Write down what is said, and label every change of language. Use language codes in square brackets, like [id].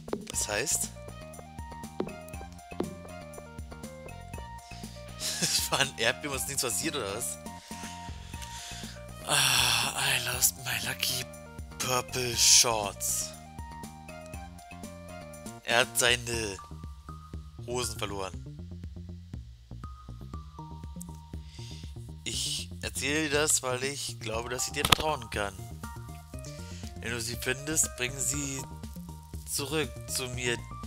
[de] Das heißt, es war ein Erdbeben, was nichts passiert oder was? [en] Ah, I lost my lucky purple shorts. [de] Er hat seine Hosen verloren. Ich erzähle dir das, weil ich glaube, dass ich dir vertrauen kann. Wenn du sie findest, bring sie zurück zu mir.